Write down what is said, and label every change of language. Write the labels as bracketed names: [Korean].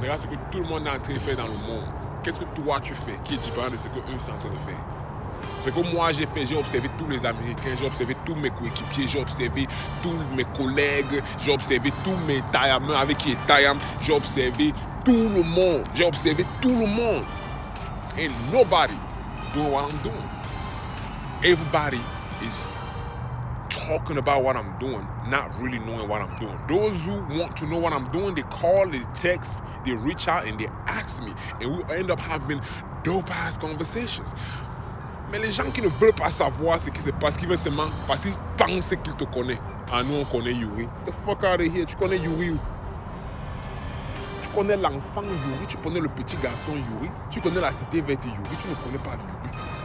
[French] Regarde ce que tout le monde est en train de faire dans le monde. Qu'est-ce que toi tu fais qui est différent de ce que eux sont en train de faire? Ce que moi j'ai fait, j'ai observé tous les Américains, j'ai observé tous mes coéquipiers, j'ai observé tous mes collègues, j'ai observé tous mes Thaïams avec qui est Thaïam, j'ai observé tout le monde. J'ai observé tout le monde. [English] And nobody doing what I'm doing. Everybody is talking about what I'm doing, not really knowing what I'm doing. Those who want to know what I'm doing, they call, they text, they reach out, and they ask me. And we end up having dope-ass conversations. [French] Mais les gens qui ne veulent pas savoir ce qui se passe, qui veulent seulement parce qu'ils pensent qu'ils te connaissent. Ah, nous, on connaît Yuri. [English] Get the fuck out of here. [French] Tu connais Yuri ou? Tu connais l'enfant Yuri, tu connais le petit garçon Yuri, tu connais la cité verte Yuri, tu ne connais pas Yuri.